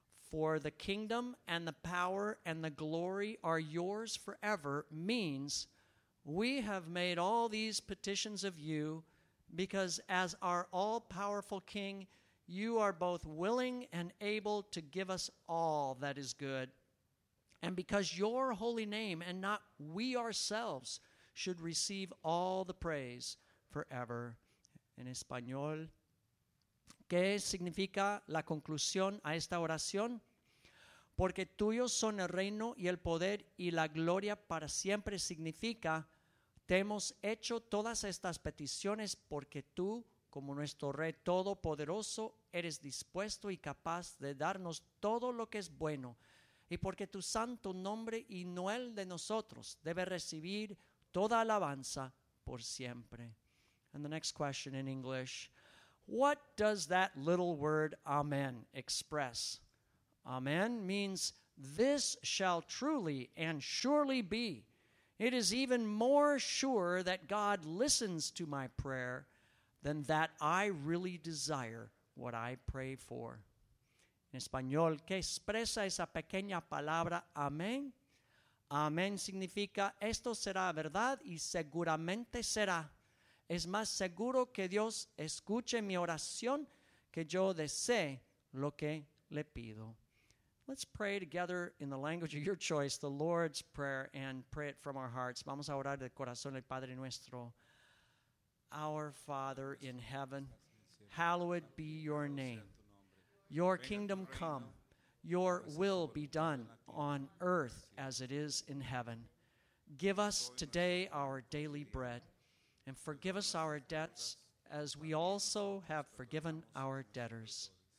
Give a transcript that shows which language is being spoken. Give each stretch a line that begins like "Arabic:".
English: For the kingdom and the power and the glory are yours forever means we have made all these petitions of you because as our all-powerful King, you are both willing and able to give us all that is good. And because your holy name and not we ourselves should receive all the praise forever.
Spanish: En español, ¿qué significa la conclusión a esta oración? Porque tuyos son el reino y el poder y la gloria para siempre significa te hemos hecho todas estas peticiones porque tú, como nuestro Rey Todopoderoso, eres dispuesto y capaz de darnos todo lo que es bueno y porque tu santo nombre y no el de nosotros debe recibir toda alabanza por siempre.
English: And the next question in English. What does that little word amen express? Amen means this shall truly and surely be. It is even more sure that God listens to my prayer than that I really desire what I pray for.
Spanish: En español, ¿qué expresa esa pequeña palabra amén? Amén significa esto será verdad y seguramente será. Es más seguro que Dios escuche mi oración que yo desee lo que le pido.
English: Let's pray together in the language of your choice, the Lord's Prayer, and pray it from our hearts.
Spanish: Vamos a orar de corazón el Padre nuestro.
English: Our Father in heaven, hallowed be your name. Your kingdom come, your will be done on earth as it is in heaven. Give us today our daily bread, and forgive us our debts as we also have forgiven our debtors.